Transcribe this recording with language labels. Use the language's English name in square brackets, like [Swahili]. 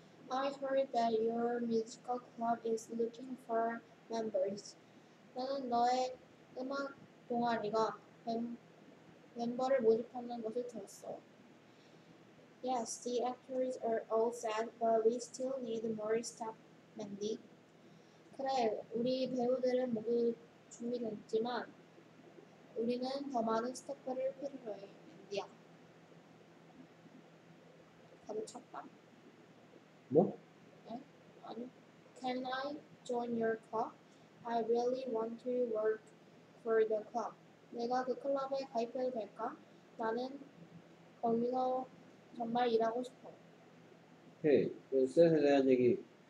[English] I heard that your musical club is looking for members. [Korean] 나는 너의 음악 동아리가 멤버를 모집하는 것을 들었어. [English] Yes, the actors are all set, but we still need more staff, Mandy. [Korean] 그래, 우리 배우들은 모두 준비됐지만 우리는 더 많은 스태프를 필요로 해, Mandy야. 바로 쳤다. 뭐? 아니, [English] can I join your club? I really want to work for the club. [Korean] 내가 그 클럽에 가입해도 될까? 나는 거기서 정말 일하고 싶어. 오케이, 그 셋에 대한 얘기.